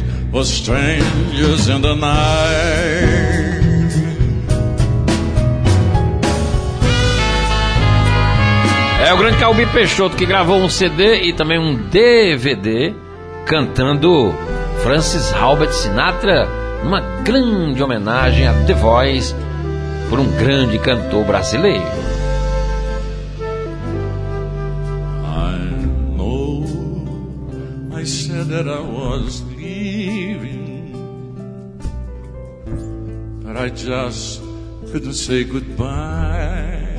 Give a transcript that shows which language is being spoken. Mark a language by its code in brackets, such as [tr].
[en] For strangers in the night. [pt] É o grande Calbi Peixoto, que gravou um CD e também um DVD cantando Francis Albert Sinatra, uma grande homenagem a The Voice por um grande cantor brasileiro. [en] I know I said that I was leaving, but I just couldn't say goodbye.